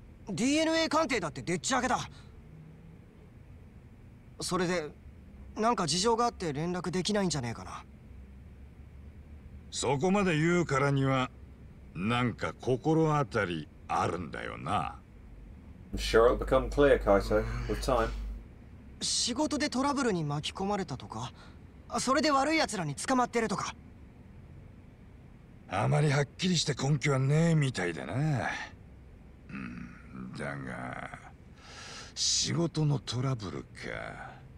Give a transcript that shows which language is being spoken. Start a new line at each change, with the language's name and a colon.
Japanese: DNA 鑑定だってでっち上げだ。それでなんか事情があって連絡できないんじゃねえかな。そこまで言うからにはなんか心当たりあるんだよな。
English: I'm sure it'll become clear, Kaito, with time.
Japanese: 仕事でトラブルに巻き込まれたとか、それで悪い奴らに捕まってるとか。あまりはっきりして根拠はねえみたいだな。だが仕事のトラブルか。